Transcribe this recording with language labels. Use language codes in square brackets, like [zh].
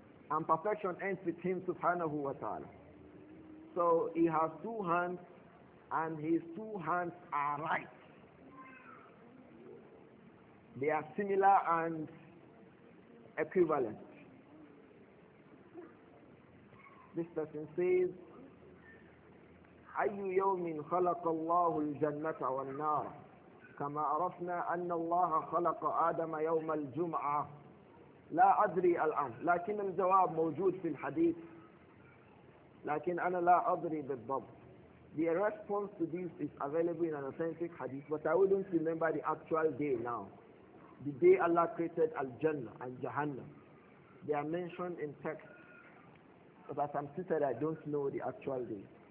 [en] And perfection ends with him, subhanahu wa ta'ala. So he has two hands, and his two hands are right. They are similar and equivalent. This person says, [ar] أَيُّ يَوْمٍ خَلَقَ اللَّهُ الْجَنَّةَ وَالنَّارَ كما عرفنا أن الله خلق آدم يوم الجمعة لا أدري الآن لكن الجواب موجود في الحديث لكن أنا لا أدري بالضبط. [en] The response to this is available in an authentic hadith, but I wouldn't remember the actual day now. The day Allah created Al-Jannah and Jahannam. They are mentioned in text, but as I'm seated, I don't know the actual date.